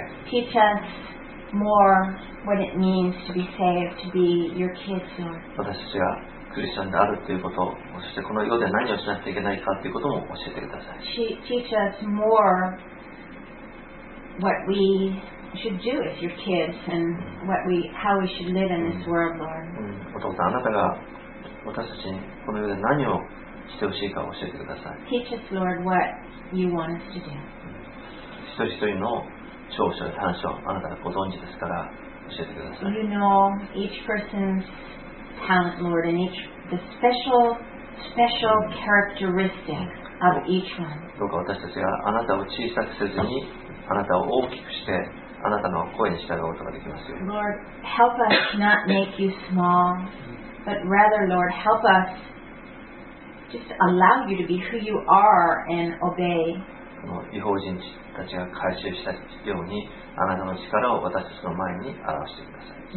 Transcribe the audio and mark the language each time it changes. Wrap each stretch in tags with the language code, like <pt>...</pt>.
<en>Teach us more what it means to be saved, to be your kids, Lord.</en> <ja>クリスチャンであるということ、そしてこの世で何をしなくちゃいけないかということも教えてください。</ja> <en>She teach us more what we should do as your kids and what we, how we should live in this world, Lord.</en> <ja>お父さん、あなたが私たちにこの世で何をしてほしいかを教えてください。</ja> <en>Teach us, Lord, what you want us to do.</en> <ja>一人一人の長所や短所、あなたがご存知ですから教えてください。</ja> <en>You know each person'sTalent, Lord, and each the special characteristic of each one.</en> <ja>どうか私たちがあなたを小さくせずにあなたを大きくしてあなたの声に従うことができますように。</ja> <en>Lord, help us not make you small, but rather, Lord, help us just allow you to be who you are and obey.</en> <ja>この異邦人たちが改宗したようにあなたの力を私たちの前に表してください。</ja>